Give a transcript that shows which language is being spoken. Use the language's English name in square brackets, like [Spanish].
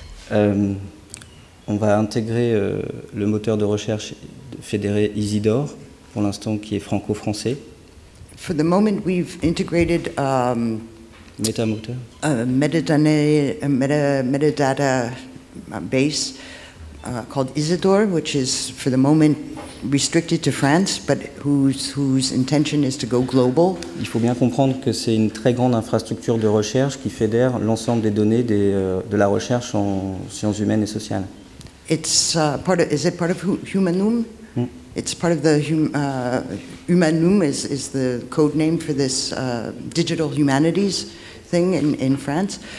[French] On va intégrer le moteur de recherche fédéré ISIDOR, pour l'instant qui est franco-français. [English] For the moment, we've integrated [French] metamoteur. [English] Metadata base called ISIDOR, which is for the moment restricted to France, but whose intention is to go global. [French] Il faut bien comprendre que c'est une très grande infrastructure de recherche qui fédère l'ensemble des données de la recherche en sciences humaines et sociales. [English] Is it part of Humanum? Mm. It's part of the Humanum is the code name for this digital humanities thing in France.